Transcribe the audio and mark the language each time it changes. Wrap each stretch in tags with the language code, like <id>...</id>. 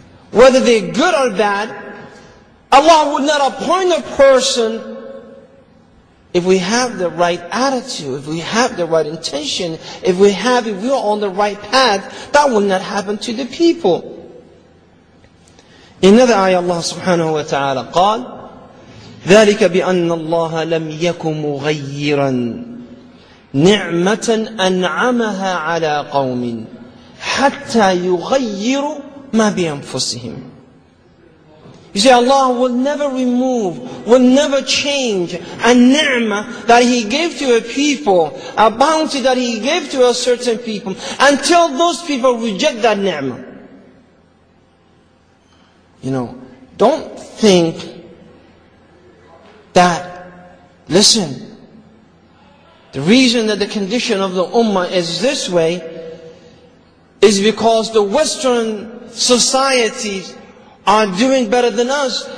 <en>Whether they're good or bad, Allah would not appoint a person if we have the right attitude, if we have the right intention, if we are on the right path, that will not happen to the people. In another ayah, Allah subhanahu wa ta'ala</en> <ar>قال, ذَلِكَ بِأَنَّ اللَّهَ لَمْ يَكُ مُغَيِّرًا نِعْمَةً أَنْعَمَهَا عَلَىٰ قَوْمٍ حَتَّى يُغَيِّرُ مَا بِأَنفُسِهِمْ.</ar> <en>You see, Allah will never remove, will never change a ni'mah that He gave to a people, a bounty that He gave to a certain people, until those people reject that ni'mah. You know, don't think that, listen, the reason that the condition of the ummah is this way is because the Western societies are doing better than us.</en>